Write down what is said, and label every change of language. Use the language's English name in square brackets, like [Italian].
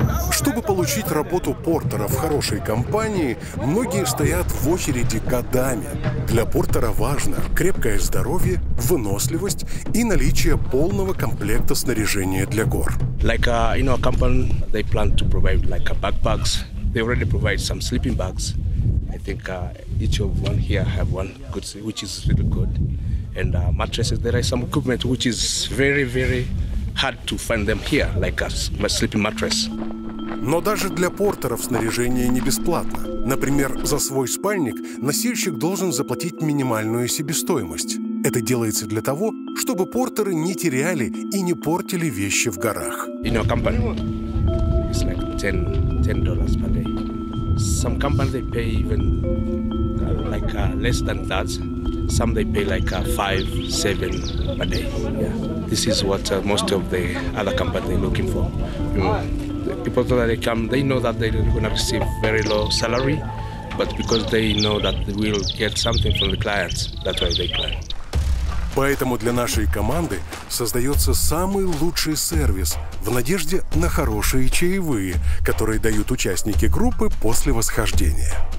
[Russian] Чтобы получить работу портера в хорошей компании, многие стоят в очереди годами. Для портера важно крепкое здоровье, выносливость и наличие полного комплекта снаряжения для гор. [English] Like, you know, a company, they plan to provide like backpacks. They already provide some sleeping bags. I think each of one here have one, good, which is really good. And mattresses, there are some equipment which is very, very hard to find them here, like us, my sleeping mattress. [Russian] Но даже для портеров снаряжение не бесплатно. Например, за свой спальник носильщик должен заплатить минимальную себестоимость. Это делается для того, чтобы портеры не теряли и не портили вещи в горах. [English] You know, company, it's like $10 per day. Some companies they pay even like less than that. Some they pay like 5-7 per day. Yeah. This is what most of the other companies looking for. You know, people that they come, they know that they're gonna receive very low salary, but because they know that we will get something from the clients, that's why they climb. [Russian] Поэтому для нашей команды создается самый лучший сервис в надежде на хорошие чаевые, которые дают участники группы после восхождения.